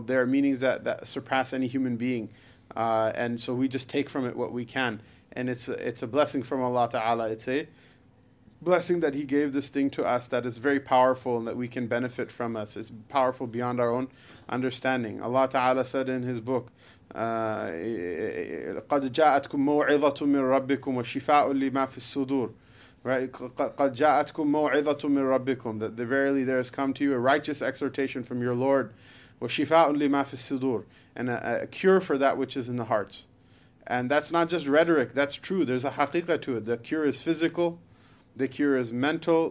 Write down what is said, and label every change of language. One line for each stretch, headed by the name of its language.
English: There are meanings that surpass any human being, and so we just take from it what we can, and it's a blessing from Allah Ta'ala. It's a blessing that He gave this thing to us that is very powerful and that we can benefit from us. It's powerful beyond our own understanding. Allah Ta'ala said in His book,
Arabic: قَدْ جَاءَتْكُمْ مَوْعِظَةٌ مِّن رَبِّكُمْ وَشِفَاءٌ لِمَا فِي الصُّدُورِ.
English: Right?
Arabic: قَدْ جَاءَتْكُمْ مَوْعِظَةٌ مِّن رَبِّكُمْ.
English: That verily there has come to you a righteous exhortation from your Lord.
Arabic: وَشِفَاءٌ لِمَا فِي الصُّدُورِ.
English: And a cure for that which is in the hearts. And that's not just rhetoric. That's true. There's a haqiqah to it. The cure is physical. The cure is mental.